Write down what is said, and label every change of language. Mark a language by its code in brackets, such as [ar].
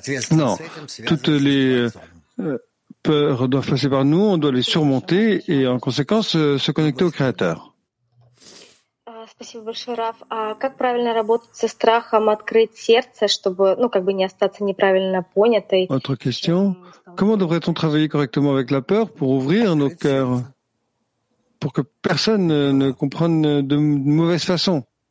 [fr] Non. Toutes les peurs doivent passer par nous, on doit les surmonter et en conséquence se connecter au Créateur. [ru] Спасибо большое, Раф. А как правильно работать со страхом открыть сердце, чтобы, ну, как бы не остаться неправильно понятой? [fr] Autre question. Comment devrait-on travailler correctement avec la peur pour ouvrir nos cœurs, pour que personne ne comprenne de mauvaise façon?